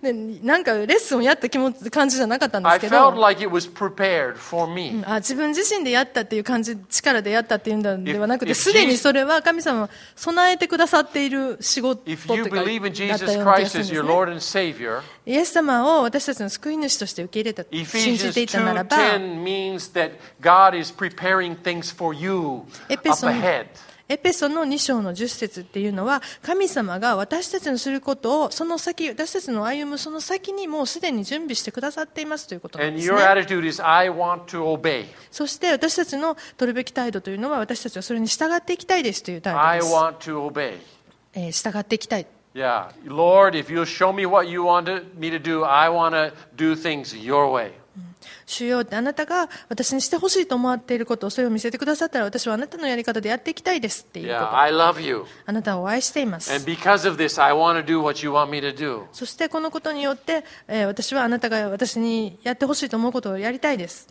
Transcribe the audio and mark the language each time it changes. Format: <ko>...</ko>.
<ja>で、なんかレッスンをやった感じじゃなかったんですけど。</ja> <en>I felt like it was prepared for me.</en> <ja>自分自身でやったっていう感じ、力でやったっていうのではなくて、すでにそれは神様備えてくださっている仕事とか。</ja> <en>If you believe in Jesus Christ as your Lord and Savior,</en> <ja>イエス様を私たちの救い主として受け入れた、信じていたならば。</ja> <en>10 means that God is preparing things for you up ahead.</en> <ja>エペソの2章の10節っていうのは、神様が私たちのすることをその先、私たちの歩むその先にもうすでに準備してくださっていますということなんですね。</ja> <en>And your attitude is, I want to obey.</en> <ja>そして私たちの取るべき態度というのは、私たちはそれに従っていきたいですという態度です。</ja> <en>I want to obey.</en> <ja>従っていきたい。</ja> <en>Yeah, Lord, if you'll show me what you want me to do, I want to do things your way.</en> <ja>主よ、あなたが私にしてほしいと思っていることをそれを見せてくださったら、私はあなたのやり方でやっていきたいですっていうこと。</ja> <en>Yeah, I love you.</en> <ja>あなたを愛しています。</ja> <en>And because of this, I want to do what you want me to do.</en> <ja>そしてこのことによって、私はあなたが私にやってほしいと思うことをやりたいです。</ja>